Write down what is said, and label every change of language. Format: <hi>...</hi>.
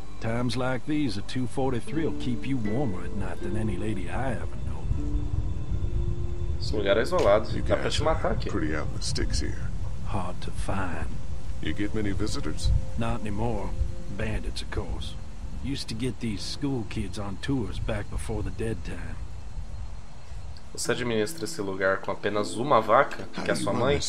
<en>Times like these, a 243 will keep you warmer at night than any lady I ever know.</en> <pt>Esse lugar é isolado, dá pra te matar aqui.</pt> <en>Pretty out in the sticks here. Hard to find. You get many visitors? Not anymore. Bandits, of course. Used to get these school kids on tours back before the dead time.</en> <pt>Você administra esse lugar com apenas uma vaca, que é sua mãe?</pt>